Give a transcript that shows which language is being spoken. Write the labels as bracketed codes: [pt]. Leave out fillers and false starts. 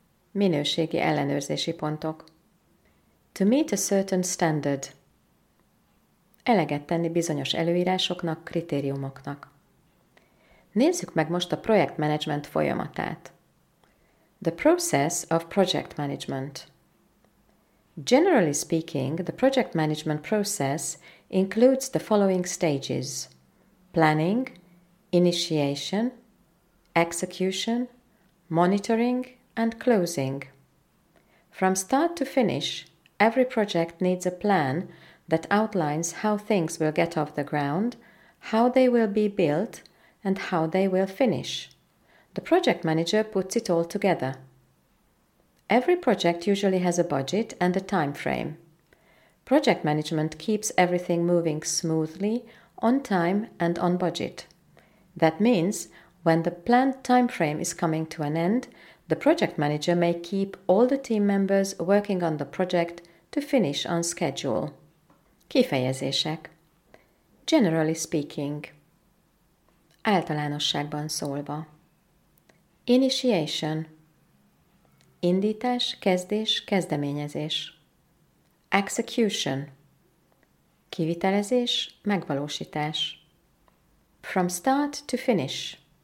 [hu] Minőségi ellenőrzési pontok. [en] To meet a certain standard. [hu] Eleget tenni bizonyos előírásoknak, kritériumoknak. Nézzük meg most a projektmenedzsment folyamatát. [en] The process of project management. Generally speaking, the project management process includes the following stages: planning, initiation, execution, monitoring, and closing. From start to finish, every project needs a plan that outlines how things will get off the ground, how they will be built, and how they will finish. The project manager puts it all together. Every project usually has a budget and a time frame. Project management keeps everything moving smoothly, on time and on budget. That means when the planned time frame is coming to an end, the project manager may keep all the team members working on the project to finish on schedule. [hu] Kifejezések. [en] Generally speaking. [hu] Általánosságban szólva. [en] Initiation. [hu] Indítás, kezdés, kezdeményezés. [en] Execution. [hu] Kivitelezés, megvalósítás. [en] From start to finish.